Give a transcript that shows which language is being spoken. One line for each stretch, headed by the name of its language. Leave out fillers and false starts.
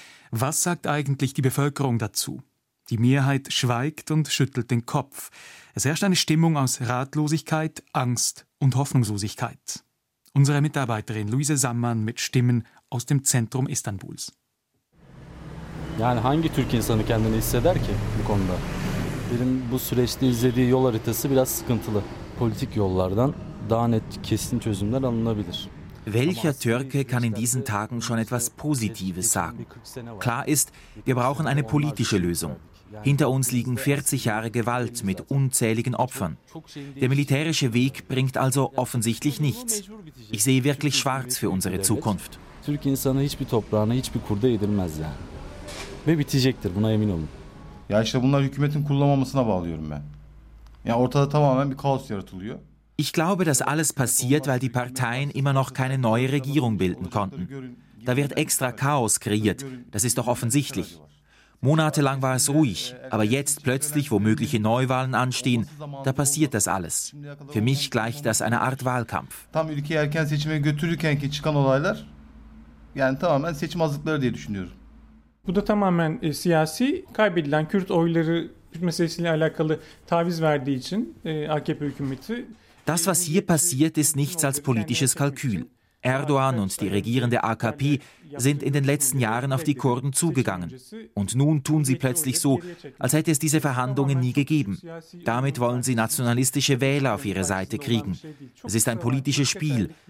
German: Was sagt eigentlich die Bevölkerung dazu? Die Mehrheit schweigt und schüttelt den Kopf. Es herrscht eine Stimmung aus Ratlosigkeit, Angst und Hoffnungslosigkeit. Unsere Mitarbeiterin Luise Sammann mit Stimmen aus dem Zentrum Istanbuls.
Turkish: Yani hangi Türk insanı kendini hisseder ki bu konuda? Benim bu süreçte izlediği yol haritası biraz sıkıntılı. Politik yollardan daha net kesin çözümler alınabilir.
German: Welcher Türke kann in diesen Tagen schon etwas Positives sagen? Klar ist, wir brauchen eine politische Lösung. Hinter uns liegen 40 Jahre Gewalt mit unzähligen Opfern. Der militärische Weg bringt also offensichtlich nichts. Ich sehe wirklich schwarz für unsere Zukunft.
Turkish: Türk insanı hiçbir toprağına, hiçbir kurda yedirmez yani. Ve bitecektir, buna emin olun. Ya işte bunlar hükümetin kullanmamasına bağlıyorum ben. Ya ortada tamamen bir kaos yaratılıyor.
German: Ich glaube, das alles passiert, weil die Parteien immer noch keine neue Regierung bilden konnten. Da wird extra Chaos kreiert, das ist doch offensichtlich. Monatelang war es ruhig, aber jetzt plötzlich, wo mögliche Neuwahlen anstehen, da passiert das alles. Für mich gleicht das einer Art Wahlkampf.
Turkish: Tam ülkeyi erken seçime götürürkenki çıkan olaylar, yani tamamen seçim hazırlıkları diye düşünüyorum. Bu da tamamen siyasi, kaybedilen Kürt oyları meselesiyle alakalı taviz verdiği için AKP hükümeti.
German: Das, was hier passiert, ist nichts als politisches Kalkül. Erdogan und die regierende AKP sind in den letzten Jahren auf die Kurden zugegangen. Und nun tun sie plötzlich so, als hätte es diese Verhandlungen nie gegeben. Damit wollen sie nationalistische Wähler auf ihre Seite kriegen. Es ist ein politisches Spiel.